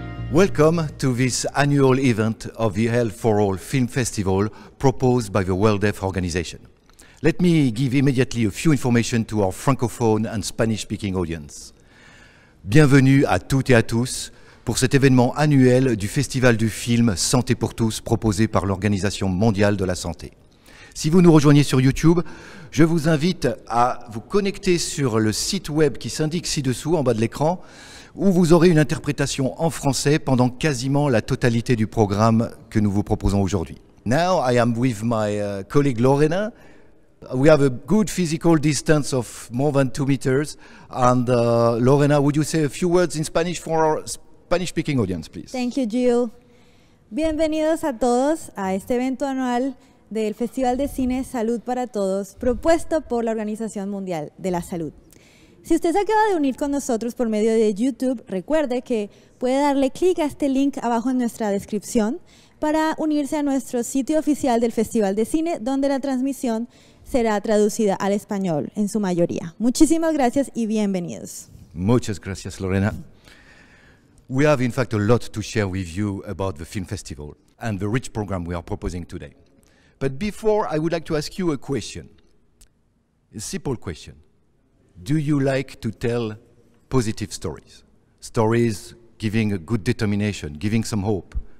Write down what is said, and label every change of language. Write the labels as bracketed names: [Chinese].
[English] Welcome to this annual event of the Health for All Film Festival proposed by the World Deaf Organization. Let me give immediately a few information to our francophone and Spanish-speaking audience. [French] Bienvenue à toutes et à tous pour cet événement annuel du Festival du film Santé pour tous proposé par l'Organisation mondiale de la santé. Si vous nous rejoignez sur YouTube, je vous invite à vous connecter sur le site web qui s'indique ci-dessous, en bas de l'écran, où vous aurez une interprétation en français pendant quasiment la totalité du programme que nous vous proposons aujourd'hui. [English] Now I am with my colleague Lorena. We have a good physical distance of more than 2 meters. And Lorena, would you say a few words in Spanish for our Spanish-speaking audience, please? Thank you, Gio. [Spanish] Bienvenidos a todos a este evento anual del Festival de Cine Salud para Todos, propuesto por la Organización Mundial de la Salud. Si usted se acaba de unir con nosotros por medio de YouTube, recuerde que puede darle clic a este link abajo en nuestra descripción para unirse a nuestro sitio oficial del Festival de Cine, donde la transmisión será traducida al español en su mayoría. Muchísimas gracias y bienvenidos. Muchas gracias, Lorena. [English] We have, in fact, a lot to share with you about the film festival and the rich program we are proposing today. But before, I would like to ask you a question, a simple question. Do you like to tell positive stories? Stories giving a good determination, giving some hope.